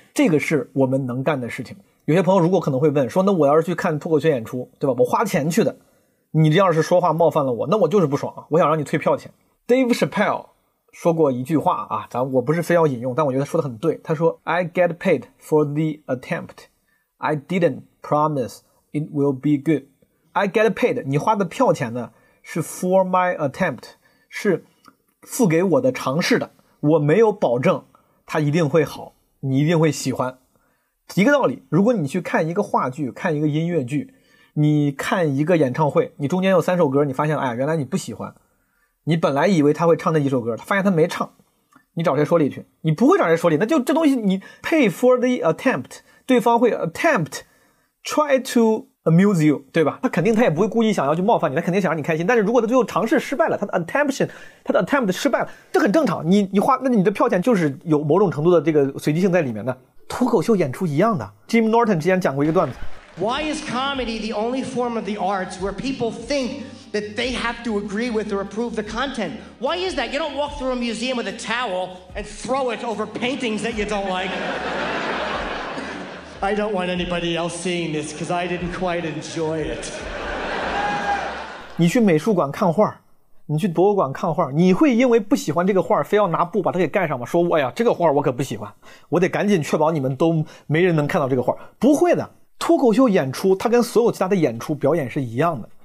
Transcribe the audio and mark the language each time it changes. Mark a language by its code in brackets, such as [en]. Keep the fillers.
[zh] 这个是我们能干的事情。有些朋友如果可能会问说，那我要是去看脱口秀演出，对吧？我花钱去的，你这样是说话冒犯了我，那我就是不爽，我想让你退票钱。 Dave Chappelle 说过一句话啊，咱我不是非要引用，但我觉得说的很对。 [en] 他说：“I get paid for the attempt. I didn't promise it will be good.” I get paid。 [zh] 你花的票钱呢？是 [en] for my attempt， [zh] 是付给我的尝试的。我没有保证它一定会好，你一定会喜欢一个道理。如果你去看一个话剧，看一个音乐剧，你看一个演唱会，你中间有三首歌，你发现，哎，原来你不喜欢。你本来以为他会唱那几首歌，他发现他没唱，你找谁说理去？你不会找谁说理，那就这东西你 [en] pay for the attempt， [zh] 对方会 [en] attempt try to。 Amuse you， [zh] 对吧？他肯定，他也不会故意想要去冒犯你，他肯定想让你开心。但是，如果他最后尝试失败了，他的 a t t e m p t i o n 他的 attempt 失败了，这很正常。你你花，那你的票钱就是有某种程度的这个随机性在里面的。脱口秀演出一样的，Jim Norton 之前讲过一个段子。 [en] Why is comedy the only form of the arts where people think that they have to agree with or approve the content? Why is that? You don't walk through a museum with a towel and throw it over paintings that you don't like. I don't want anybody else seeing this I didn't quite enjoy it. don't anybody enjoy want because else [zh] 你去美术馆看画，你去博物馆看画，你会因为不喜欢这个画，非要拿布把它给盖上吗？说，哎呀，这个画我可不喜欢，我得赶紧确保你们都没人能看到这个画。不会的，脱口秀演出它跟所有其他的演出表演是一样的。